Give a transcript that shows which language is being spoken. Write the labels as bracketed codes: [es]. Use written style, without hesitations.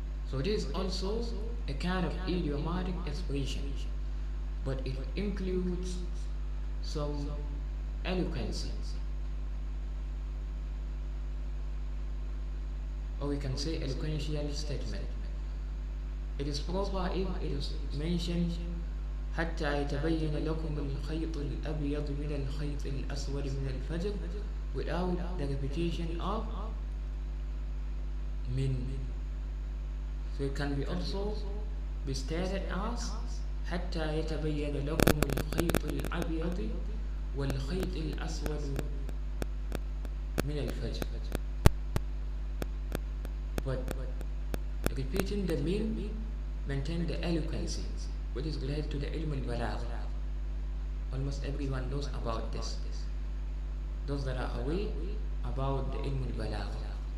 [en] So this is also a kind of idiomatic expression, but it includes some eloquence, or we can say eloquential statement. It is proper if it is mentioned [ar] حتى يتبين لكم الخيط الأبيض من الخيط الأسود من الفجر [en] without the repetition of من. So it can be also be stated as [ar] حتى يتبين لكم الخيط الأبيض والخيط الأسود من الفجر. [en] But repeating the mean maintain the eloquence, which is related to the ilm al-balagh. Almost everyone knows about this. Those that are away about the ilm al-balagh.